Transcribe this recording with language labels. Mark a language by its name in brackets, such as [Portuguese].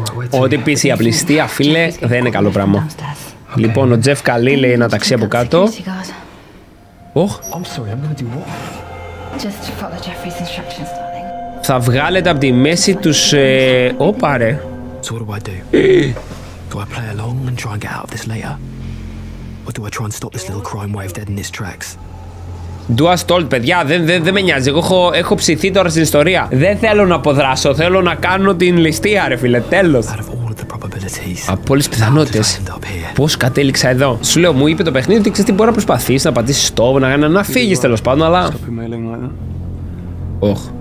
[Greek] Ό,τι πεις, η απληστία, φίλε, δεν είναι καλό πράγμα. Λοιπόν, ο Τζεφ καλεί, λέει, ένα ταξί από κάτω. [English] Oh. I'm sorry, I'm gonna do what? Just follow Jeffrey's instructions, darling. [Greek] Θα βγάλετε από τη μέση τους. Όπα ρε. [English] So what do I do? Do I play along and try and get out of this later? Or do I try and stop this little crime wave dead in its tracks? Do I stall, [Greek] παιδιά, δεν με νοιάζει. Εγώ έχω ψηθεί τώρα στην ιστορία. Δεν θέλω να αποδράσω. Θέλω να κάνω την ληστεία, ρε φίλε. Τέλος. Από όλες τις πιθανότητες, πώς κατέληξα εδώ. Σου λέω, μου είπε το παιχνίδι ότι ξέρεις τι, μπορεί να προσπαθήσεις να πατήσεις stop, να φύγεις τέλος πάντων, αλλά... Ωχ.